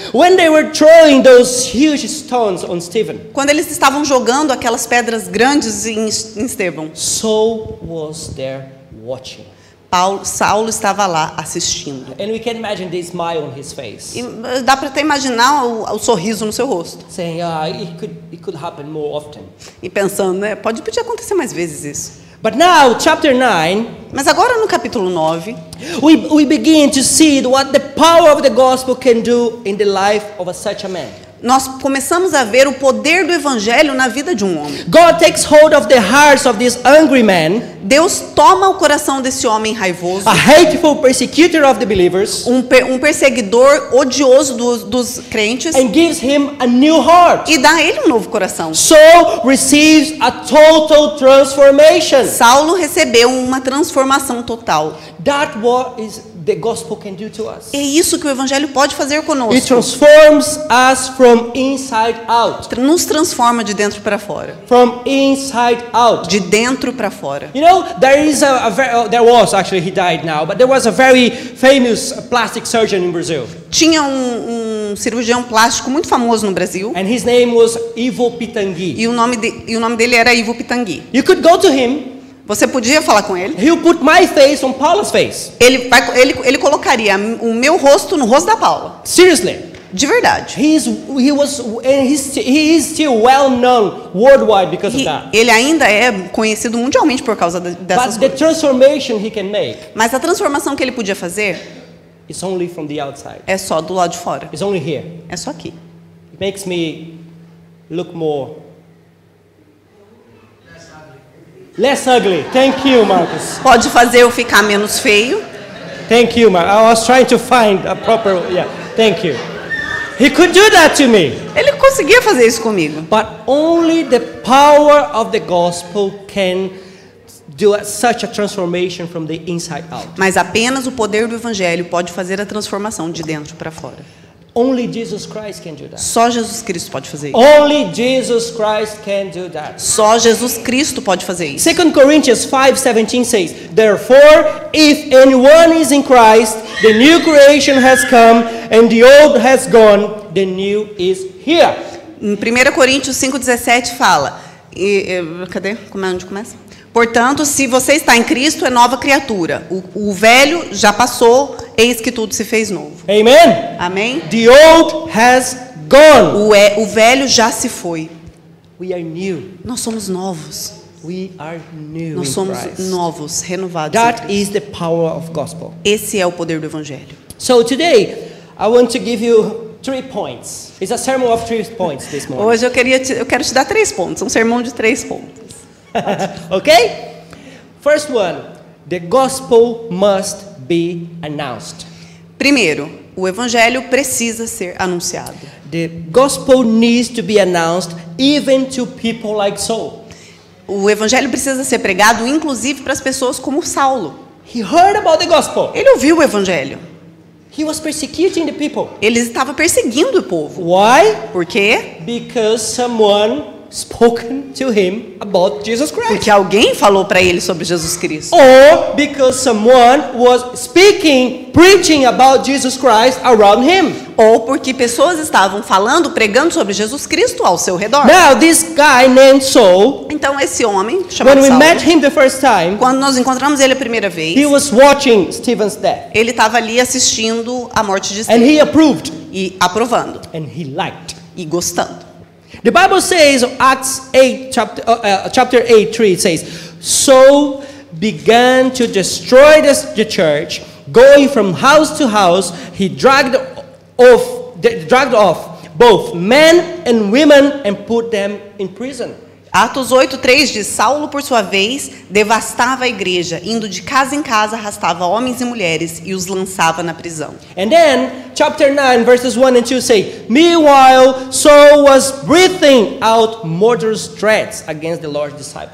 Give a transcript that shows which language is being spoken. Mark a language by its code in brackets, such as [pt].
[en] When they were throwing those huge stones on Stephen. [pt] Quando eles estavam jogando aquelas pedras grandes em Estevão. [en] Saul was there watching. [pt] Saulo estava lá assistindo. [en] And we can imagine the smile on his face. [pt] E dá para até imaginar o sorriso no seu rosto. [en] Saying, it could happen more often. [pt] E pensando, né, podia acontecer mais vezes isso. [en] But now, chapter 9, [pt] mas agora no capítulo 9, [en] we begin to see what the power of the gospel can do in the life of such a man. [pt] nós começamos a ver o poder do evangelho na vida de um homem. [en] God takes hold of the hearts of this angry man. [pt] Deus toma o coração desse homem raivoso. [en] A hateful persecutor of the believers. [pt] Um perseguidor odioso dos crentes. [en] And gives him a new heart. [pt] E dá a ele um novo coração. [en] Saul receives a total transformation. [pt] Saulo recebeu uma transformação total. [en] That what is the gospel can do to us. [pt] É isso que o evangelho pode fazer conosco. [en] It transforms us from inside out. [pt] Nos transforma de dentro para fora. [en] From inside out. [pt] De dentro para fora. [en] You know, there is there was actually he died now, but there was a very famous plastic surgeon in Brazil. [pt] Tinha um cirurgião plástico muito famoso no Brasil. [en] And his name was Ivo Pitangui. [pt] E o nome dele era Ivo Pitangui. [en] You could go to him. [pt] Você podia falar com ele? [en] He'll put my face on Paula's face. [pt] Ele colocaria o meu rosto no rosto da Paula. [en] Seriously? [pt] De verdade. [en] He is still well known worldwide because of that. [pt] Ele ainda é conhecido mundialmente por causa dessas coisas. [en] But the transformation he can make. [pt] Mas a transformação que ele podia fazer? [en] It's only from the outside. [pt] É só do lado de fora. [en] It's only here. [pt] É só aqui. [en] It makes me look more. Less ugly. Thank you, Marcus. [pt] Pode fazer eu ficar menos feio. [en] Thank you, Marcus. I was trying to find a proper. Yeah. Thank you. He could do that to me. [pt] Ele conseguia fazer isso comigo. [en] But only the power of the gospel can do such a transformation from the inside out. [pt] Mas apenas o poder do evangelho pode fazer a transformação de dentro para fora. [en] Only Jesus Christ can do that. [pt] Só Jesus Cristo pode fazer isso. [en] Only Jesus Christ can do that. [pt] Só Jesus Cristo pode fazer isso. [en] 2 Corinthians 5:17 says, therefore, if anyone is in Christ, the new creation has come and the old has gone, the new is here. [pt] Em 1 Coríntios 5:17 fala, cadê? Como é onde começa? Portanto, se você está em Cristo, é nova criatura. O velho já passou, eis que tudo se fez novo. [en] Amen. [pt] Amém? [en] The old has gone. [pt] O velho já se foi. [en] We are new. [pt] Nós somos novos. [en] We are new. [pt] Nós somos [en] Christ. [pt] Novos, renovados. [en] That is the power of gospel. [pt] Esse é o poder do evangelho. [en] So today I want to give you 3 points. It's a sermon of 3 points this morning. [pt] Hoje eu quero te dar 3 pontos, um sermão de 3 pontos. [en] Okay? First one, the gospel must be announced. [pt] Primeiro, o evangelho precisa ser anunciado. [en] The gospel needs to be announced even to people like Saul. [pt] O evangelho precisa ser pregado inclusive para as pessoas como Saulo. [en] He heard about the gospel. [pt] Ele ouviu o evangelho. [en] He was persecuting the people. [pt] Ele estava perseguindo o povo. [en] Why? [pt] Por quê? [en] Because someone spoken to him about Jesus Christ. [pt] Porque alguém falou para ele sobre Jesus Cristo. [en] Or because someone was speaking, preaching about Jesus Christ around him. [pt] Ou porque pessoas estavam falando, pregando sobre Jesus Cristo ao seu redor. [en] Now this guy named Saul. [pt] Então esse homem, [en] when we met him the first time, [pt] quando nós encontramos ele a primeira vez, [en] he was watching Stephen's death. [pt] Ele estava ali assistindo a morte de Stephen. [en] And he approved. [pt] E aprovando. [en] And he liked. [pt] E gostando. [en] The Bible says Acts 8 chapter 8 3 says, Saul began to destroy the church, going from house to house. He dragged off both men and women and put them in prison. [pt] Atos 8 3 diz, Saulo por sua vez devastava a igreja, indo de casa em casa, arrastava homens e mulheres e os lançava na prisão. [en] And then chapter 9 verses 1 and 2 say, meanwhile Saul was breathing out murderous threats against the Lord's disciples.